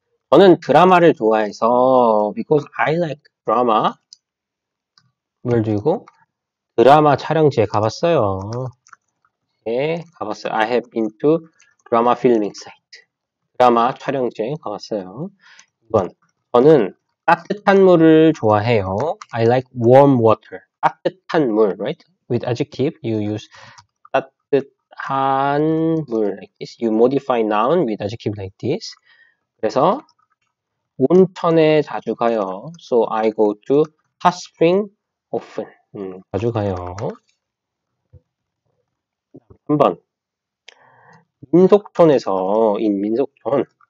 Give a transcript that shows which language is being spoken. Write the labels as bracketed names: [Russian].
[Korean] 저는 드라마를 좋아해서, [English] because I like drama. [Korean] 뭘 들고? 드라마 촬영지에 가봤어요. 예, 가봤어요. [English] I have been to drama filming site. [Korean] 드라마 촬영지에 가봤어요. 2번. 저는 따뜻한 물을 좋아해요. [English] I like warm water. [Korean] 따뜻한 물, [English] right? With adjective, you use 한 물, like this. You modify noun with adjective like this. [Korean] 그래서 온천에 자주 가요. [English] So I go to hot spring often. [Korean] 자주 가요. 3번. 민속촌에서 in 민속촌